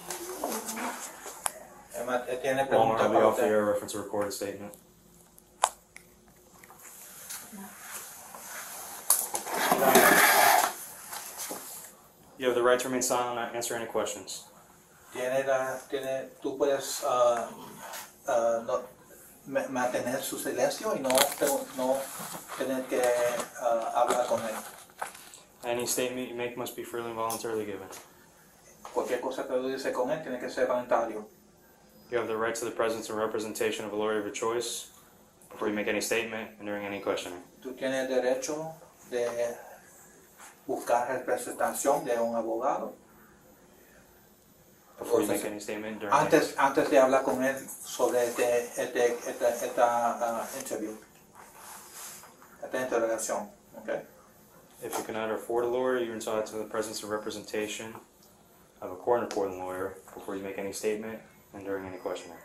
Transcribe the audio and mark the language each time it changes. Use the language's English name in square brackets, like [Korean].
[English] Walmart will be off the air reference recorded statement. You have the right to remain silent and not answer any questions. [Spanish] Tú puedes no mantener su silencio y no tener que hablar con él. [English] Any statement you make must be freely and voluntarily given. [Spanish] Cualquier cosa que tú dices con él tiene que ser voluntario. [English] You have the right to the presence and representation of a lawyer of your choice before you make any statement and during any questioning. [Spanish] Tú tienes derecho de buscar representación de un abogado. [English] Before Did you make any statement during antes that? [Spanish] Antes de hablar con él sobre esta interview. Esta interrogación, okay? [English] If you cannot afford a lawyer, you're entitled to the presence of representation of a court-appointed lawyer before you make any statement and during any questioning.